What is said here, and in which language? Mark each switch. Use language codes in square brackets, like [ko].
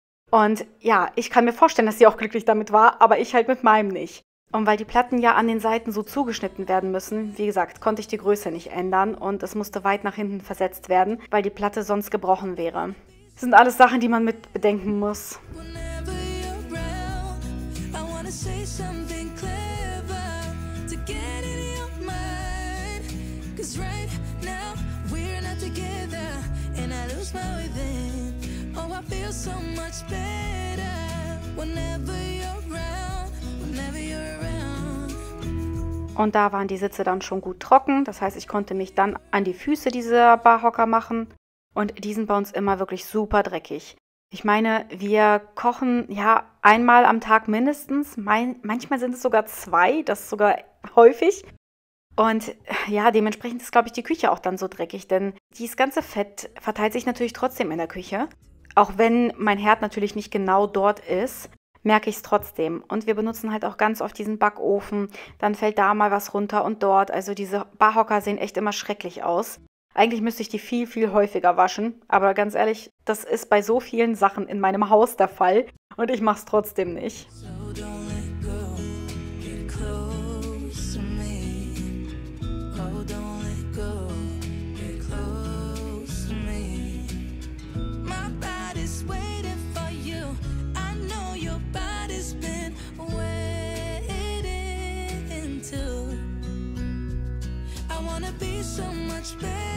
[de] Und ja, ich kann mir vorstellen, dass sie auch glücklich damit war, aber ich halt mit meinem nicht. Und weil die Platten ja an den Seiten so zugeschnitten werden müssen, wie gesagt, konnte ich die Größe nicht ändern und es musste weit nach hinten versetzt werden, weil die Platte sonst gebrochen wäre. Das sind alles Sachen, die man mit bedenken muss. [en] Whenever you're around, I wanna say something clever to get in your mind. 'Cause right now we're not together and I lose my way then. Oh, I feel so much better whenever you're around, whenever you're around. [de] Und da waren die Sitze dann schon gut trocken. Das heißt, ich konnte mich dann an die Füße dieser Barhocker machen. Und die sind bei uns immer wirklich super dreckig. Ich meine, wir kochen ja einmal am Tag mindestens. Manchmal sind es sogar zwei, das ist sogar häufig. Und ja, dementsprechend ist, glaube ich, die Küche auch dann so dreckig. Denn dieses ganze Fett verteilt sich natürlich trotzdem in der Küche. Auch wenn mein Herd natürlich nicht genau dort ist, merke ich es trotzdem. Und wir benutzen halt auch ganz oft diesen Backofen. Dann fällt da mal was runter und dort. Also diese Barhocker sehen echt immer schrecklich aus. Eigentlich müsste ich die viel, viel häufiger waschen. Aber ganz ehrlich, das ist bei so vielen Sachen in meinem Haus der Fall. Und ich mache es trotzdem nicht. [en] So don't let go, get close to me. Oh, don't let go, get close to me. My body's waiting for you. I know your body's been waiting too. I wanna be so much better.